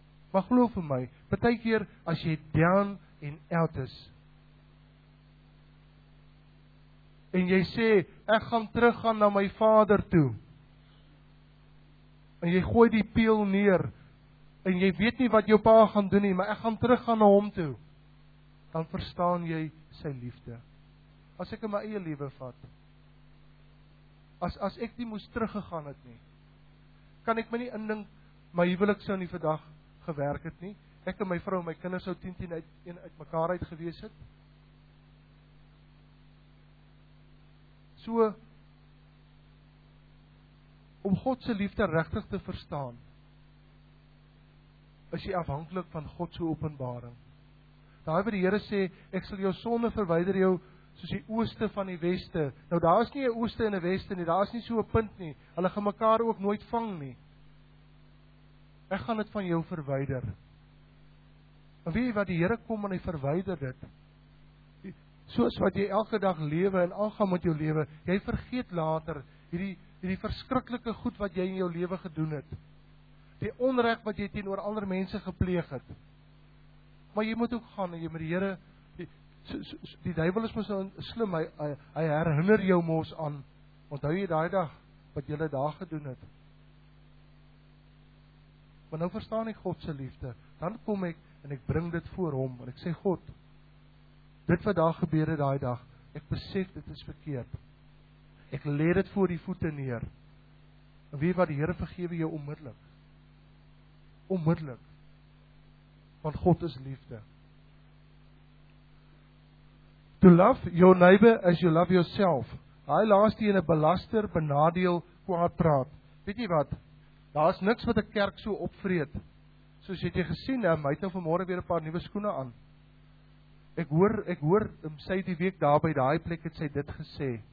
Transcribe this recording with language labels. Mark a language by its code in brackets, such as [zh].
[af] Maar glo vir my, partykeer as jy [en] down and out [af] is en jy sê ek gaan teruggaan na my vader toe, en jy gooi die peel neer, en jy weet nie wat jou pa gaan doen nie, maar ek gaan terug gaan na hom toe, dan verstaan jy sy liefde. As ek in my eie lewe vat, as ek nie moes teruggegaan het nie, kan ek my nie indink, my huwelik sou nie vandag gewerk het nie, ek en my vrou en my kinders sou 10-10 uit mekaar uit gewees het. So, om God se liefde regtig te verstaan, is jy afhanklik van God se openbaring. Daar waar die Here sê, ek sal jou sonde verwyder jou soos die ooste van die weste. Nou, daar is nie 'n ooste en 'n weste nie, daar is nie so 'n punt nie. Hulle gaan mekaar ook nooit vang nie. Ek gaan dit van jou verwyder. En weet jy wat, die Here kom en hy verwyder dit. Soos wat jy elke dag lewe en aangaan met jou lewe, jy vergeet later hierdie verskriklike goed wat jy in jou lewe gedoen het. Die onreg wat jy teenoor ander mense gepleeg het. Maar jy moet ook gaan en jy met die Here, die duiwel is mos slim, hy herinner jou mos aan, onthou jy daai dag wat jy daar gedoen het. Maar nou verstaan ek God se liefde. Dan kom ek en ek bring dit voor hom en ek sê, God, dit wat daar gebeur het daai dag, ek besef dit is verkeerd. Ek lê dit voor die voete neer. En weet wat, die Here vergewe jou onmiddellik. Onmiddellik. Want God is liefde. [en] To love your neighbor as you love yourself. [af] Hy laaste een 'n belaster, benadeel, kwaad praat. Weet jy wat? Daar is niks wat 'n kerk so opvreed. Soos het jy gesien, hy het nou vanmôre weer 'n paar nuwe skoene aan. Ek hoor sy het die week daar by daai plek het sy dit gesê.